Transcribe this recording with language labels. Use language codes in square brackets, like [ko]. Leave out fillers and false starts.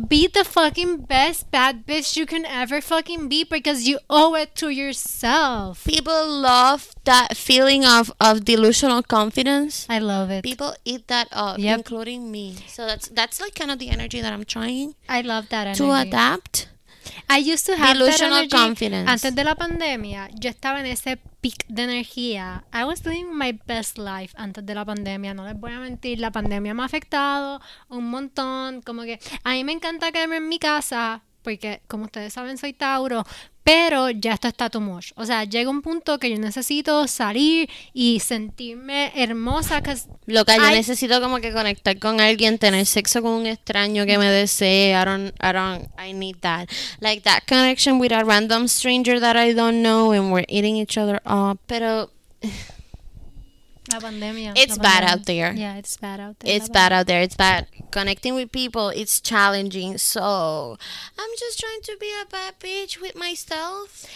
[en] Be the fucking best bad bitch you can ever fucking be because you owe it to yourself. People love that feeling of delusional confidence. I love it. People eat that up, yep. Including me. So that's like kind of the energy that I'm trying. I love that energy. To adapt. I used to have delusional confidence. [es] Antes de la pandemia, yo estaba en ese peak de energía. [en] I was living my best life [es] antes de la pandemia. No les voy a mentir, la pandemia me ha afectado un montón. Como que a mí me encanta quedarme en mi casa, porque como ustedes saben, soy Tauro, pero ya esto está [en] too much. [es] O sea, llega un punto que yo necesito salir y sentirme hermosa. Loca, yo necesito como que conectar con alguien, tener sexo con un extraño que me desee. [en] I need that. Like that connection with a random stranger that I don't know and we're eating each other up. [es] Pero... La pandemia. [en] It's [es] la pandemia. [en] Bad out there. Yeah, it's bad out there. It's bad out there. It's bad. Connecting with people, it's challenging. So, I'm just trying to be a bad bitch with myself.